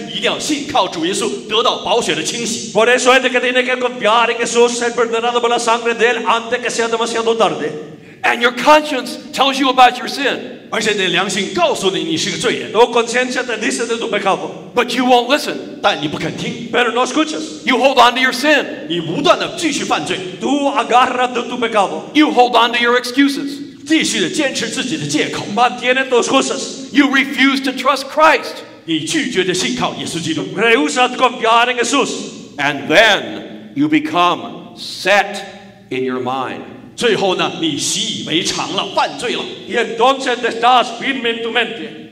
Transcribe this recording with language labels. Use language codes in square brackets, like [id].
[zh] 这就是为什么在太迟之前，在你死之前，一定要信靠主耶稣，得到宝血的清洗。 [es] Por eso es que tiene que confiar en Jesús, ser perdonado por la sangre de él antes que sea demasiado tarde. [en] And your conscience tells you about your sin. [zh] 而且你的良心告诉你，你是个罪人。 [es] Tu conciencia te dice de tu pecado. [en] But you won't listen. [zh] 但你不肯听。 [es] Pero no escuchas. [en] You hold on to your sin. [zh] 你不断地继续犯罪。 [es] Tu agarras de tu pecado. [en] You hold on to your excuses. [zh] 继续地坚持自己的借口, [es] mantiene tus cosas. [en] You refuse to trust Christ. [zh] 你拒绝地信靠耶稣基督, [es] rehúsa confiar en Jesús. [en] And then you become set in your mind. [zh] 最后呢, 你习以为常了, 犯罪了, [es] y entonces te estás firme en tu mente.